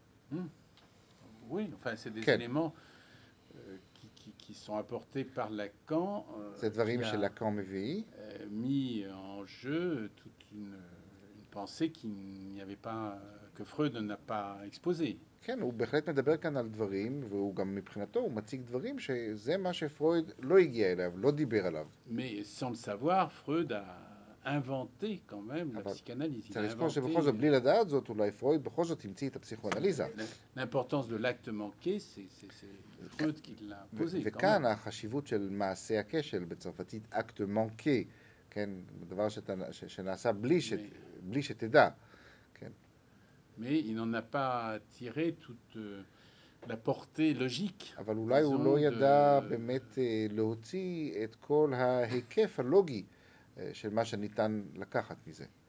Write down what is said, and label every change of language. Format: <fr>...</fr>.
<fr>Mmh. Oui, enfin c'est des éléments qui sont apportés par Lacan. Cette varime chez Lacan MVI mis en jeu toute une pensée qu'il n'y avait pas, que Freud n'a pas exposée. Ok.</fr> <he>כן, הוא בהחלט מדבר כאן על דברים, והוא גם מבחינתו, הוא מציג דברים שזה מה שפרויד לא הגיע אליו, לא דיבר עליו.</he> <fr>Mais sans savoir, פרויד a inventé quand même la psychanalyse.</fr> <he>צריך לזכור שבכל זאת, בלי לדעת זאת, אולי פרויד בכל זאת המציא את הפסיכואנליזה.</he> <fr>L'importance de l'acte manqué, c'est Freud qui l'a posé.</fr> <he>וכאן החשיבות של מעשה הכשל בצרפתית, acte manqué, כן, דבר שנעשה בלי שתדע.</he> <fr>Mais il n'en a pas tiré toute la portée logique.</fr> <he>אבל אולי הוא לא ידע באמת להוציא את כל ההיקף הלוגי של מה שניתן לקחת מזה.</he>